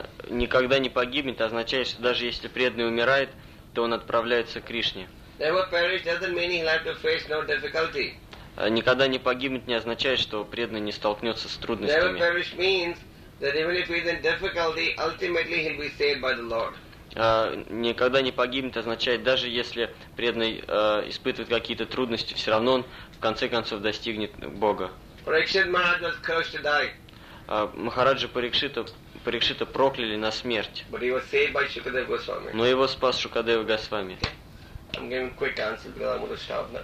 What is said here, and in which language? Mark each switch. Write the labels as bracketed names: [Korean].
[Russian] Никогда не погибнет означает, что даже если преданный умирает, то он отправляется к Кришне. [English] Never perish doesn't mean he'll have to face no difficulty. [Russian] Никогда не погибнет не означает, что преданный не столкнется с трудностями. [English] Never perish means that even if he's in difficulty, ultimately he'll be saved by the Lord. [Russian] Никогда не погибнет означает, даже если преданный испытывает какие-то трудности, все равно он в конце концов достигнет Бога. [English] Parikshit Maharaj was cursed to die. [Russian] Махараджа Парикшита прокляли на смерть. [English] But he was saved by Shukadeva Goswami. [Russian] Но его спас Шукадева Госвами. [English] I'm giving a quick answer, because I'm going to stop now.